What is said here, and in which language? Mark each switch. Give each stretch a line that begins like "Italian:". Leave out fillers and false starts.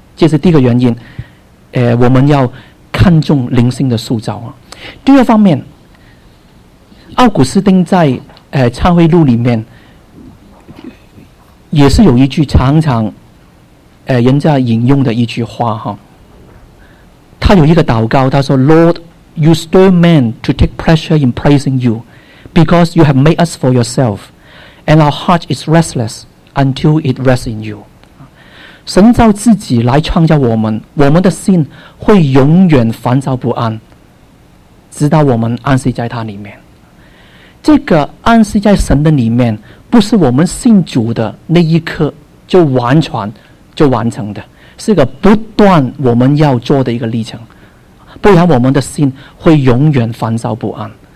Chinese: 这是第一个原因，我们要看重灵性的塑造啊。第二方面，奥古斯丁在忏悔录里面也是有一句常常人家引用的一句话哈。他有一个祷告，他说
English: Lord, you stir men to take pleasure in praising you, because you have made us for yourself, and our heart is restless until it rests in you.
Chinese: 神造自己来创造我们，我们的心会永远烦躁不安，直到我们安息在他里面。这个安息在神的里面，不是我们信主的那一刻就完全就完成的，是个不断我们要做的一个历程，不然我们的心会永远烦躁不安。